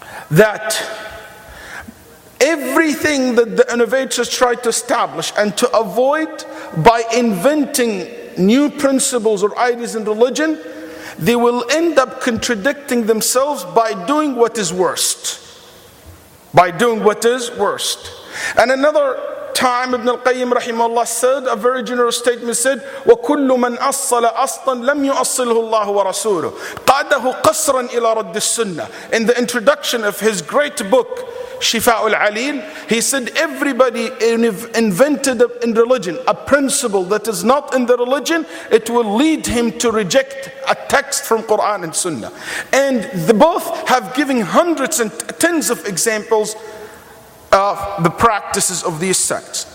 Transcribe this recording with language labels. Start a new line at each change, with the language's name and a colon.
English: that everything that the innovators tried to establish and to avoid by inventing new principles or ideas in religion, they will end up contradicting themselves by doing what is worst. By doing what is worst. And another time, Ibn al-Qayyim rahimahullah said, a very generous statement said,
Arabic: وَكُلُّ مَنْ أَصَّلَ أَصْلًا لَمْ يُؤَصِّلْهُ اللَّهُ وَرَسُولُهُ قَادَهُ قَصْرًا إِلَى رَدِّ السُّنَّةِ.
English: In the introduction of his great book, Shifa'ul Alil, he said, everybody invented in religion a principle that is not in the religion, it will lead him to reject a text from Quran and Sunnah. And the both have given hundreds and tens of examples of the practices of these sects.